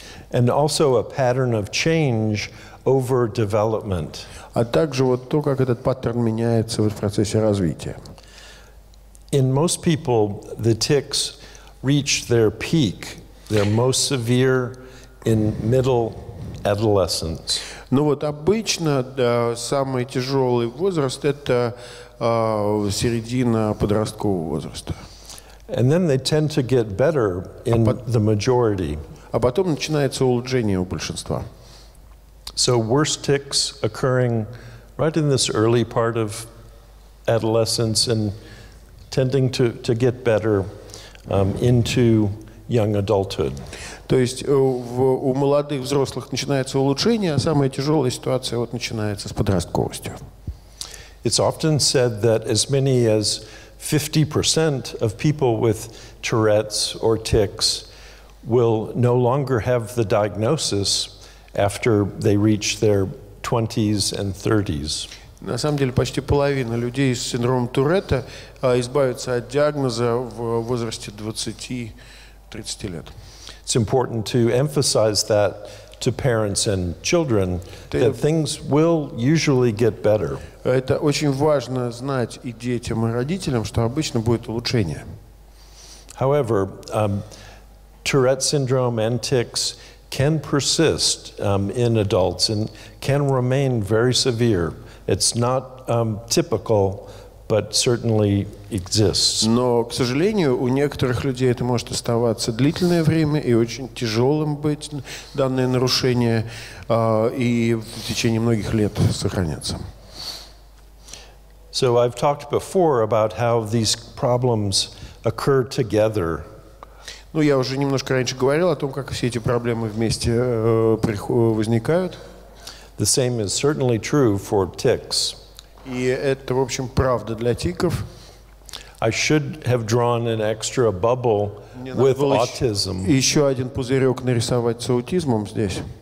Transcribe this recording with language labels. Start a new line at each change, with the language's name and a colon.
English: And also a pattern of change over development.
Russian: А также вот то, как этот паттерн меняется в процессе развития.
English: In most people, the tics reach their peak, their most severe in middle adolescence.
Russian: Ну вот обычно самый тяжелый возраст это середина подросткового возраста.
English: And then they tend to get better in the majority.
Russian: А потом начинается улучшение у большинства.
English: So worst tics occurring right in this early part of adolescence and tending to get better into young adulthood.
Russian: То есть у молодых взрослых начинается улучшение, а самая тяжелая ситуация вот начинается с подростковостью.
English: It's often said that as many as 50% of people with Tourette's or tics will no longer have the diagnosis after they reach their 20s and 30s.
Russian: На самом деле, почти половина людей с синдромом Туретта избавится от диагноза в возрасте 20 30 лет.
English: It's important to emphasize that to parents and children that things will usually get better.
Russian: Это очень важно знать и детям, и родителям, что обычно будет улучшение.
English: However, Tourette syndrome and tics can persist in adults and can remain very severe. It's not typical, but certainly exists.
Russian: Но, к сожалению, у некоторых людей это может оставаться длительное время и очень тяжелым быть данное нарушение и в течение многих лет сохраняться.
English: So I've talked before about how these problems occur together.
Russian: Ну, я уже немножко раньше говорил о том, как все эти проблемы вместе возникают.
English: The same is certainly true for tics.
Russian: И это, в общем, правда для тиков.
English: I should have drawn an extra bubble with autism.
Russian: Еще один пузырек нарисовать с аутизмом здесь.